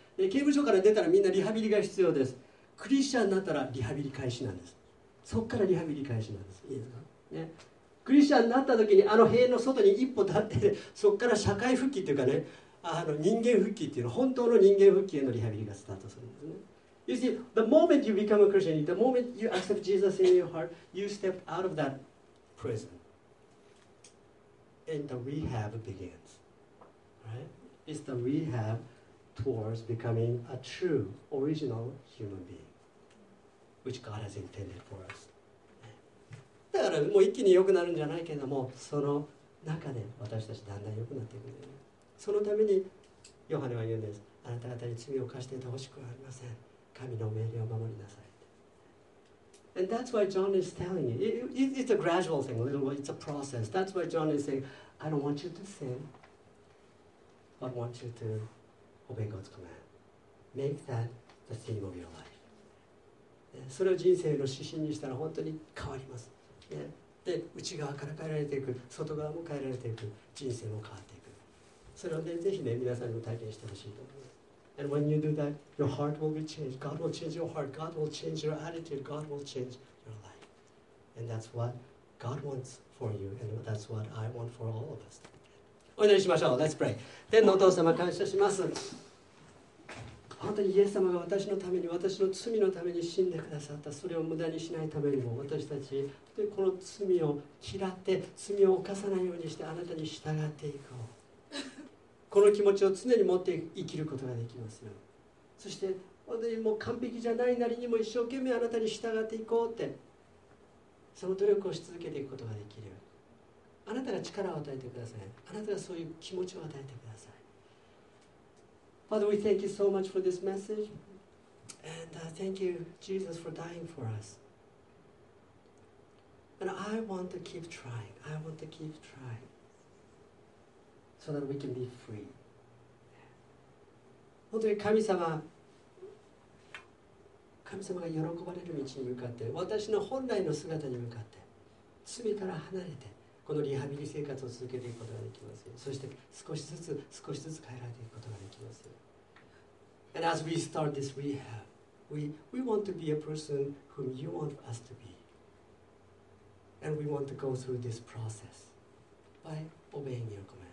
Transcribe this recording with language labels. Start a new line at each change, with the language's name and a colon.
Japanese: で刑務所から出たらみんなリハビリが必要です。クリスチャンになったらリハビリ開始なんです。そこからリハビリ開始なんです。いいですか、ね、クリスチャンになった時にあの塀の外に一歩立って、そこから社会復帰というかね、あの人間復帰っていうの、本当の人間復帰へのリハビリがスタートするんですね。
English: You see, the moment you become a Christian, the moment you accept Jesus in your heart, you step out of that prison. And the rehab begins. Right? It's the rehab towards becoming a true, original human being. Which God has intended for us.
Japanese: だからもう一気に良くなるんじゃないけれども、その中で私たちだんだん良くなっていくんだよ。そのためにヨハネは言うんです。あなた方に罪を犯していてほしくはありません。神の命令を守りなさい。
English: And that's why John is telling you. It's a gradual thing, a little bit. It's a process. That's why John is saying, I don't want you to sin, but want you to obey God's command. Make that the theme of your life.
Japanese: それを人生の指針にしたら本当に変わります、ね、で内側から変えられていく、外側も変えられていく、人生も変わっていく。それを、ね、ぜひ、ね、皆さんにも体験してほしいと思います。
English: And when you do that, your heart will be changed. God will change your heart. God will change your attitude. God will change your life. And that's what God wants for you. And that's what I want for all of us.
Japanese: お祈りしましょう。
English: Let's pray.
Japanese: 天のお父様、感謝します。本当にイエス様が私のために、私の罪のために死んでくださった。それを無駄にしないためにも、私たちでこの罪を嫌って、罪を犯さないようにしてあなたに従っていこう。この気持ちを常に持って生きることができますよ。そして本当にもう完璧じゃないなりにも一生懸命あなたに従っていこうって、その努力をし続けていくことができる。あなたが力を与えてください。あなたがそういう気持ちを与えてください。
English: Father, we thank you so much for this message. And thank you, Jesus, for dying for us. And I want to keep trying. I want to keep trying. So that we can be free.
Japanese: 本当に神様が喜ばれる道に向かって、私の本来の姿に向かって、罪から離れて、このリハビリ生活を続けていくことができますよ。そして少しずつ、少しずつ変えられていくことができますよ。
English: And as we start this rehab, we want to be a person whom you want us to be. And we want to go through this process by obeying your commands.